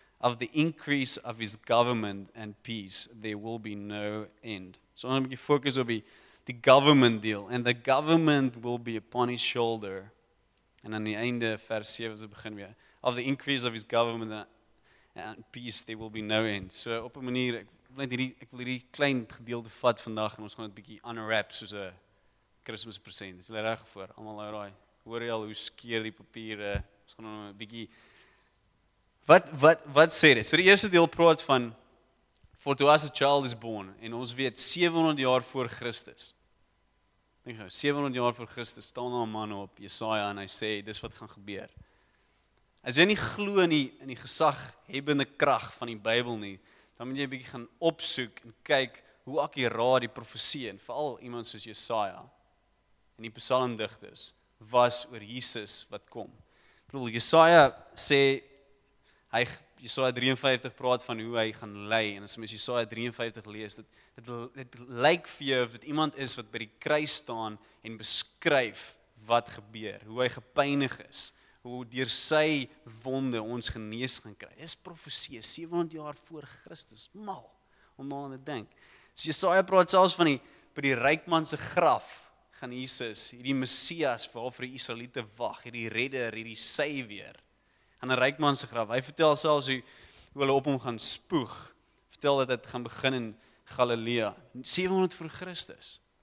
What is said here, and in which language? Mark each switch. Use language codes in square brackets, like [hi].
[en] Of the increase of his government and peace, there will be no end. So I'm going to focus on the government deal, and the government will be upon his shoulder. And [af] aan die einde vers 7 se begin weer. [en] Of the increase of his government and peace, there will be no end. [af] So op 'n manier, ek wil hierdie klein gedeelte vat vandag en ons gaan dit bietjie unwrap soos 'n Kersfees present. Is jy reg voor? Almal hou raai. Hoor jy al hoe skeer die papiere? Ons gaan nou 'n bietjie Wat sê dit? So die eerste deel praat van [en] for to us a child is born [af] en ons weet 700 jaar voor Christus. 700 jaar voor Christus staan daar 'n man op Jesaja en hy sê dis wat gaan gebeur. As jy nie glo in die gesaghebende krag van die Bybel nie, dan moet jy 'n bietjie gaan opsoek en kyk hoe akkuraat die profesie en veral iemand soos Jesaja en die psalmdigters was oor Jesus wat kom. Ek bedoel Jesaja sê Jesaja 53 praat van hoe hy gaan ly en as jy Jesaja 53 lees dit lyk vir jou of dit iemand is wat by die kruis staan en beskryf wat gebeur, hoe hy gepynig is, hoe deur sy wonde ons genees gaan kry. Dis profesie 700 jaar voor Christus, mal om daaraan te dink. So Jesaja praat selfs van by die rykman se graf gaan Jesus, hierdie Messias waarvoor die Israeliete wag, hierdie redder, hierdie savior aan 'n rykman se graf. Hy vertel selfs hoe hulle op hom gaan spoeg. Vertel dat dit gaan begin in Galilea, 700 voor Christus.